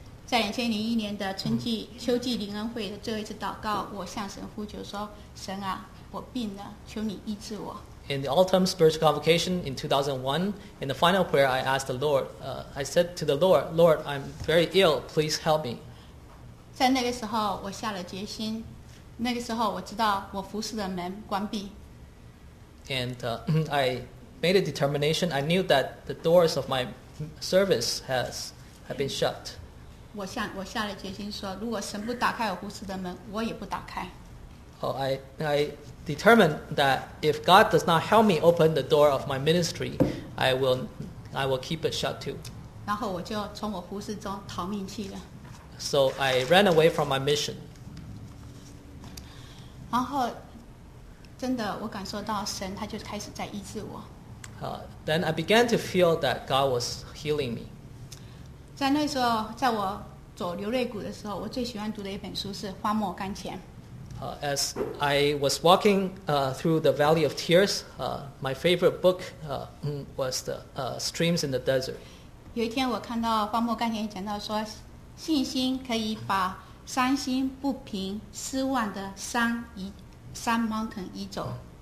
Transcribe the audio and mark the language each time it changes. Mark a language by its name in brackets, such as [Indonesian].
[Chinese] 在2001年的春季秋季灵恩会的最后一次祷告，我向神呼求说：“神啊，我病了，求你医治我。” [English] In the autumn spiritual convocation in 2001, in the final prayer, I asked the Lord. I said to the Lord, "Lord, I'm very ill. Please help me." [Chinese] 在那个时候，我下了决心。那个时候，我知道我服侍的门关闭。 [English] And I made a determination. I knew that the doors of my service have been shut. [Chinese] 我下了决心说，如果神不打开我服侍的门，我也不打开。 [English] I determined that if God does not help me open the door of my ministry, I will keep it shut too. [Chinese] 然后我就从我服侍中逃命去了。 [English] So I ran away from my mission. [Chinese] 然后真的我感受到神他就开始在医治我。 [English] Then I began to feel that God was healing me. [Chinese] 在那时候在我走流泪谷的时候我最喜欢读的一本书是花墨甘泉。 [English] As I was walking through the Valley of Tears, my favorite book was the Streams in the Desert. [Chinese] 有一天我看到花墨甘泉讲到说信心可以把伤心不平失望的山 mountain 移走。